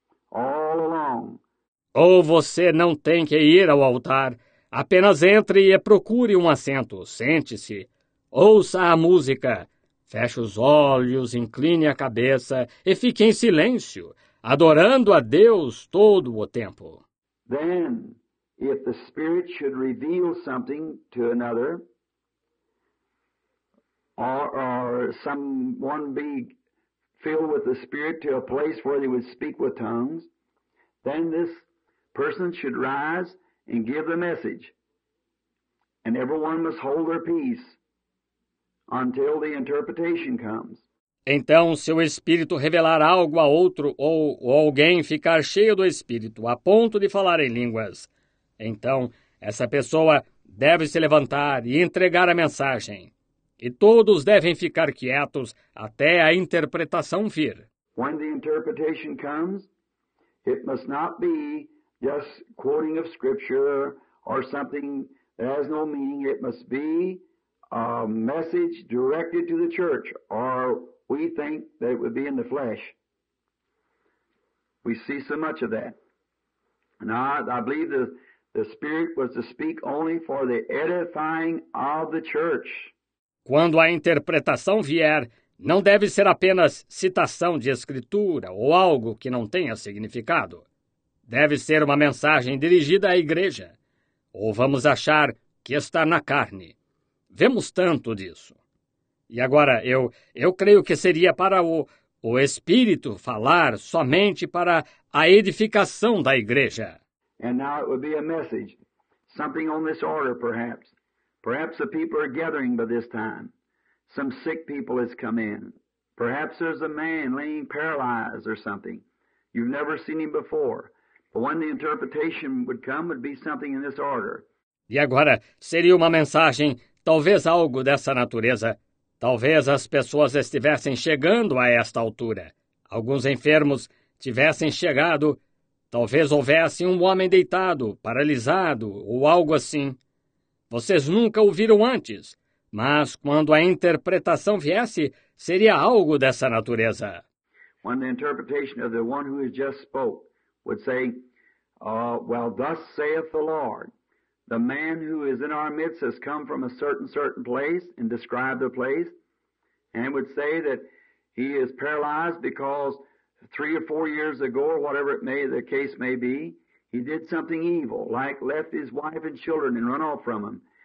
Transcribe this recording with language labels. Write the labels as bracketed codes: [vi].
[en] All along. [pt] Ou você não tem que ir ao altar. Apenas entre e procure um assento. Sente-se. Ouça a música. Feche os olhos, incline a cabeça e fique em silêncio, adorando a Deus todo o tempo. [en] Then, if the Spirit should reveal something to another, or someone be filled with the Spirit to a place where they would speak with tongues, then this person should rise and give the message. And everyone must hold their peace until the interpretation comes. [pt] Então, se o Espírito revelar algo a outro ou alguém ficar cheio do Espírito a ponto de falar em línguas, então essa pessoa deve se levantar e entregar a mensagem. E todos devem ficar quietos até a interpretação vir. [en] When the interpretation comes, it must not be just quoting of scripture or something that has no meaning. It must be a message directed to the church, or we think that it would be in the flesh. We see so much of that. And I believe the Spirit was to speak only for the edifying of the church. [pt] Quando a interpretação vier, não deve ser apenas citação de escritura ou algo que não tenha significado. Deve ser uma mensagem dirigida à igreja, ou vamos achar que está na carne. Vemos tanto disso. E agora, eu creio que seria para o Espírito falar somente para a edificação da igreja. [en] And now it would be a message, something on this order, perhaps. Perhaps the people are gathering by this time. Some sick people has come in. Perhaps there's a man laying paralyzed or something. You've never seen him before. But when the interpretation would come, it would be something in this order. [pt] E agora, seria uma mensagem, talvez algo dessa natureza. Talvez as pessoas estivessem chegando a esta altura. Alguns enfermos tivessem chegado. Talvez houvesse um homem deitado, paralisado ou algo assim. Vocês nunca o viram antes. Mas quando a interpretação viesse, seria algo dessa natureza. [en] When the interpretation of the one who has just spoke would say, well, thus saith the Lord. The man who is in our midst has come from a certain place and described the place and would say that He is paralyzed because 3 or 4 years ago, or whatever it may, the case may be, he did something evil, like left his wife and children and run off from them.